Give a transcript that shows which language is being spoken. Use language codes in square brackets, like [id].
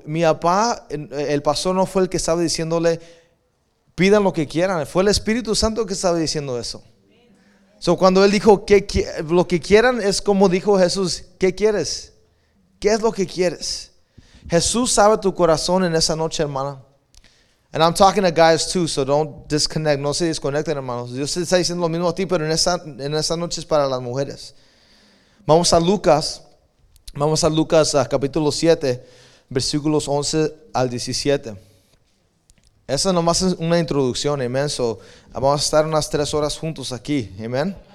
[es] Mi papá, el pastor no fue el que estaba diciéndole, pidan lo que quieran. Fue el Espíritu Santo que estaba diciendo eso. So, cuando él dijo, lo que quieran, es como dijo Jesús, ¿qué quieres? ¿Qué es lo que quieres? Jesús sabe tu corazón en esa noche, hermana. [en] And I'm talking to guys too, so don't disconnect. [es] No se desconecten, hermanos. Dios te está diciendo lo mismo a ti, pero en esa noche es para las mujeres. Vamos a Lucas. Vamos a Lucas capítulo 7, versículos 11 al 17. Esa nomás es una introducción, amén. So, vamos a estar unas 3 horas juntos aquí, amén.